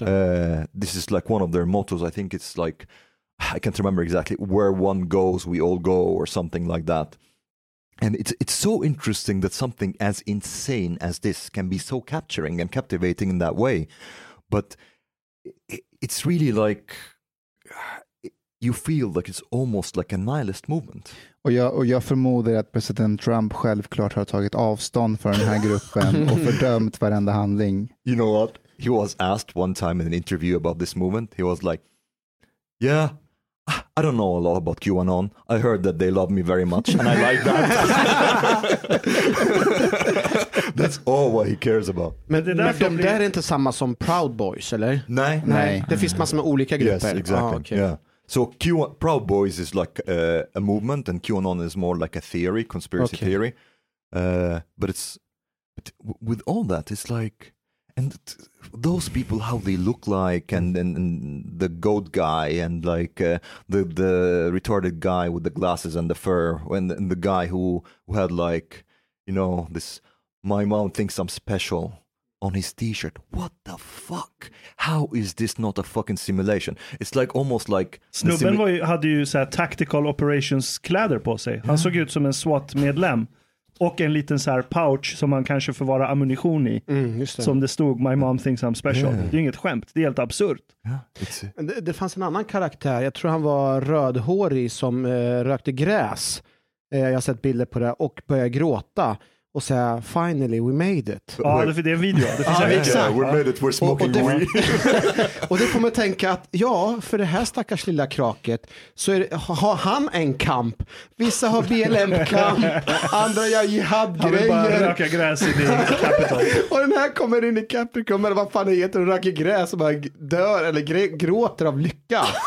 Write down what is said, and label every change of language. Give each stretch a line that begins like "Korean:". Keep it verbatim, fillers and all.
English: uh, this is like one of their mottos. I think it's like, I can't remember exactly, where one goes, we all go, or something like that. And it's it's so interesting that something as insane as this can be so capturing and captivating in that way. But it, it's really like, you feel like it's almost like a nihilist movement.
Swedish: Och jag, och jag förmodar att president Trump självklart har tagit avstånd från den här gruppen och fördömt varenda handling.
English: You know what? He was asked one time in an interview about this movement. He was like, yeah, I don't know a lot about QAnon. I heard that they love me very much, and I like that. That's all what he cares about.
Swedish: Men, det där Men de blir... där är inte samma som Proud Boys, eller? Nej. Nej. Det finns massor med olika grupper.
English: Yes, exactly. Ah, okay. Yeah. So Q- Proud Boys is like uh, a movement, and QAnon is more like a theory, conspiracy okay. theory. Uh, but it's but with all that, it's like... And those people, how they look like, and, and, and the goat guy, and like uh, the the retarded guy with the glasses and the fur, and, and the guy who, who had like, you know, this, my mom thinks I'm special on his t-shirt. What the fuck? How is this not a fucking simulation? It's like almost like...
Swedish: Snubben simu- var ju, hade ju så här
English: tactical operations
Swedish: kläder på sig. Han yeah. såg ut som en SWAT-medlem. Och en liten så här pouch som man kanske förvarar ammunition i. Mm, just det. Som det stod,
English: my mom thinks I'm special.
Swedish: Yeah. Det är inget skämt, det är helt absurt. Yeah, det, det fanns en annan karaktär, jag tror han var rödhårig som eh, rökte gräs. Eh, jag har sett bilder på det och började gråta. Och säga,
English: finally we made it.
Swedish: Ja, det, det är en video. Det ja, en video.
English: Yeah, we made it, we're smoking
Swedish: och, och
English: weed.
Swedish: Och det får man tänka att, ja, för det här stackars lilla kraket så är det, har han en kamp. Vissa har B L M-kamp, andra gör jihad-grejer. Han bara röka gräs i Capricorn. Och den här kommer in i Capricorn, men vad fan är det? Och röker gräs och bara dör eller gr- gråter av lycka.